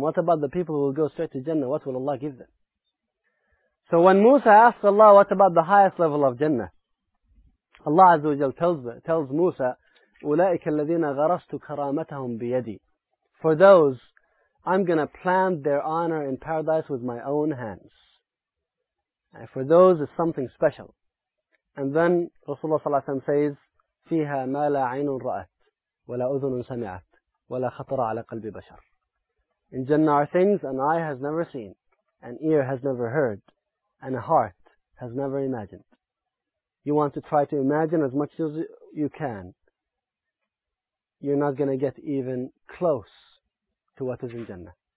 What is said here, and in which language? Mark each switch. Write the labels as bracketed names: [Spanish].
[English] What about the people who will go straight to Jannah? What will Allah give them? So when Musa asks Allah, what about the highest level of Jannah? Allah Azza wa Jal tells Musa, [Arabic] أُولَٰئِكَ الَّذِينَ غَرَسْتُ كَرَامَتَهُمْ بِيَدِي. [English] For those, I'm going to plant their honor in paradise with my own hands. And for those, it's something special. And then Rasulullah ﷺ says, [Arabic] فِيهَا مَا لَا عَيْنٌ رَأَتْ وَلَا أُذُنٌ سَمِعَتْ وَلَا خَطَرَ عَلَى قَلْبِ بَشَرٍ. [English] In Jannah are things an eye has never seen, an ear has never heard, and a heart has never imagined. You want to try to imagine as much as you can. You're not going to get even close to what is in Jannah.